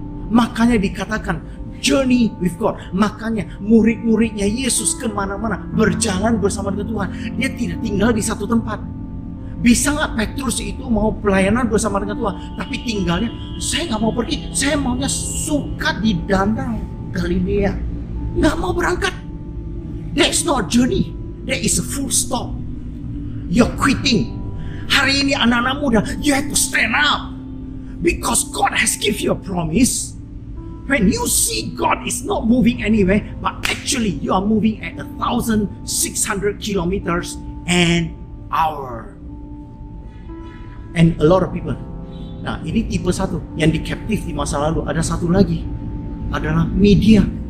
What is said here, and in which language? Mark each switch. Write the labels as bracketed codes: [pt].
[id] Makanya dikatakan [en] journey with God. [id] Makanya murid-muridnya Yesus kemana-mana berjalan bersama dengan Tuhan. Dia tidak tinggal di satu tempat. Bisa gak Petrus itu mau pelayanan bersama dengan Tuhan, tapi tinggalnya, saya gak mau pergi, saya maunya suka di danau Galilea, gak mau berangkat. [en] That's not a journey, that is a full stop. You're quitting. [id] Hari ini anak-anak muda, [en] you have to stand up. Because God has given you a promise. when you see God is not moving anywhere, but actually you are moving at 1,600 kilometers an hour. And a lot of people. [id] Nah, ini tipe satu yang dikaptif di masa lalu. Ada satu lagi adalah media.